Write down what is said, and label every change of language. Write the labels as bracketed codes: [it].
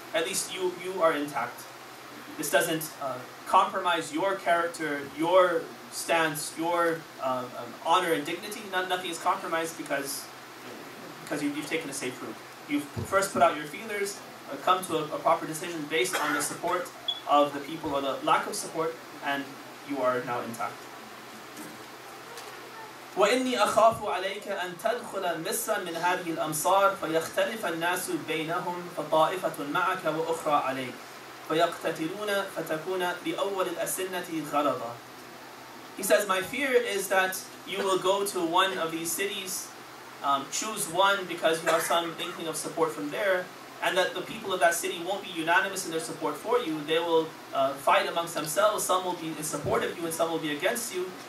[en] At least you are intact. This doesn't compromise your character, your stance, your honor and dignity. Nothing is compromised because you've taken a safe route. You've first put out your feelers, come to a proper decision based on the support of the people or the lack of support, and you are now intact. [ar] وإني أخاف عليك أن تدخل مصر من هذه الأمصار فيختلف الناس بينهم فطائفة معك وأخرى عليك فيقتتلون فتكون بأول الأسنة غلظة. [en] He says, my fear is that you will go to one of these cities, choose one because you have some inkling of support from there, and that the people of that city won't be unanimous in their support for you. They will fight amongst themselves. Some will be in support of you and some will be against you.